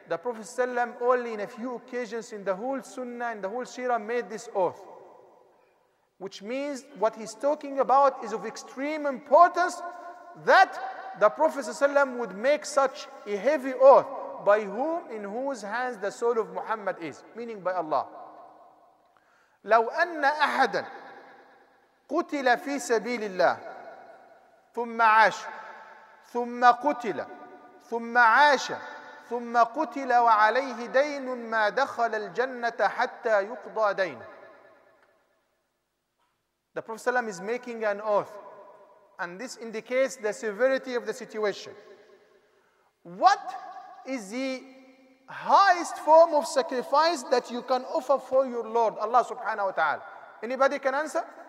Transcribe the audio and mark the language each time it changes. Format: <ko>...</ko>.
<en>The Prophet ﷺ only in a few occasions in the whole Sunnah and the whole Seerah made this oath, which means what he's talking about is of extreme importance, that the Prophet ﷺ would make such a heavy oath, by whom, in whose hands the soul of Muhammad is, meaning by Allah.</en> <ar>لَوْ أَنَّ أَحَدًا قتل في سبيل الله ثم عاش ثم قتل ثم عاش ثم قتل وعليه دين ما دخل الجنة حتى يقضى دينه.</ar> <en>The Prophet ﷺ is making an oath, and this indicates the severity of the situation. What is the highest form of sacrifice that you can offer for your Lord, Allah subhanahu wa ta'ala? Anybody can answer?</en>